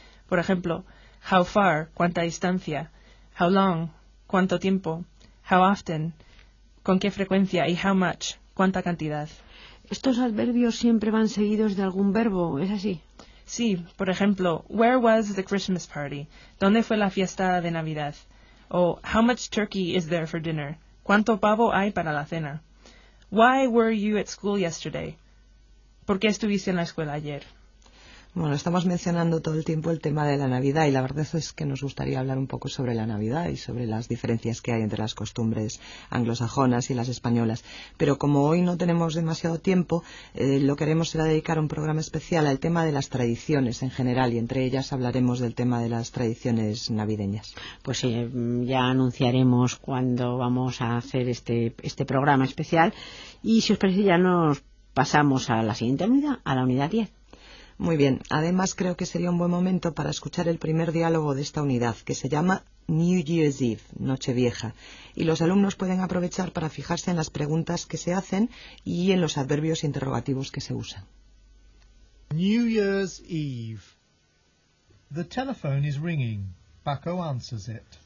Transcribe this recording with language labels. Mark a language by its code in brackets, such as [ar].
[es] Por ejemplo, [en] how far, [es] cuánta distancia, [en] how long, [es] cuánto tiempo, [en] how often, [es] con qué frecuencia y [en] how much, [es] cuánta cantidad. ¿Estos adverbios siempre van seguidos de algún verbo? ¿Es así? Sí, por ejemplo, [en] where was the Christmas party? [es] ¿Dónde fue la fiesta de Navidad? [en] O how much turkey is there for dinner? [es] ¿Cuánto pavo hay para la cena? [en] Why were you at school yesterday? [es] ¿Por qué estuviste en la escuela ayer? Bueno, estamos mencionando todo el tiempo el tema de la Navidad y la verdad es que nos gustaría hablar un poco sobre la Navidad y sobre las diferencias que hay entre las costumbres anglosajonas y las españolas. Pero como hoy no tenemos demasiado tiempo, lo que haremos será dedicar un programa especial al tema de las tradiciones en general y entre ellas hablaremos del tema de las tradiciones navideñas. Pues sí, ya anunciaremos cuándo vamos a hacer este programa especial y si os parece ya nos pasamos a la siguiente unidad, a la unidad 10. Muy bien. Además, creo que sería un buen momento para escuchar el primer diálogo de esta unidad, que se llama New Year's Eve, Nochevieja. Y los alumnos pueden aprovechar para fijarse en las preguntas que se hacen y en los adverbios interrogativos que se usan. [en] New Year's Eve. The telephone is ringing. Paco answers it.